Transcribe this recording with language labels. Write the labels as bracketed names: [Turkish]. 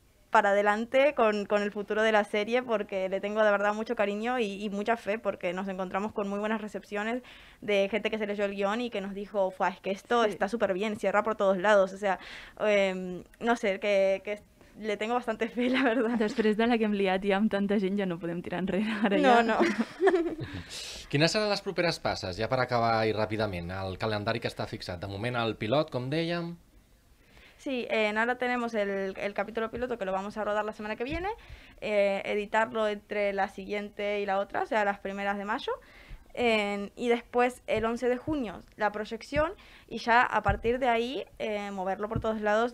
[Spanish] para adelante con el futuro de la serie, porque le tengo de verdad mucho cariño y mucha fe, porque nos encontramos con muy buenas recepciones de gente que se leyó el guión y que nos dijo, es que esto está súper bien, cierra por todos lados, o sea, no sé, que le tengo bastante fe, la verdad. [Catalan] Després de la que hem liat ja amb tanta gent, ja no podem tirar enrere ara. No. Quines seran les properes passes, ja per acabar i ràpidament, el calendari que està fixat? De moment el pilot, com dèiem. [Spanish] Sí, ahora tenemos el capítulo piloto, que lo vamos a rodar la semana que viene, editarlo entre la siguiente y la otra, o sea, las primeras de mayo. y después el 11 de junio la proyección, y ya a partir de ahí moverlo por todos lados.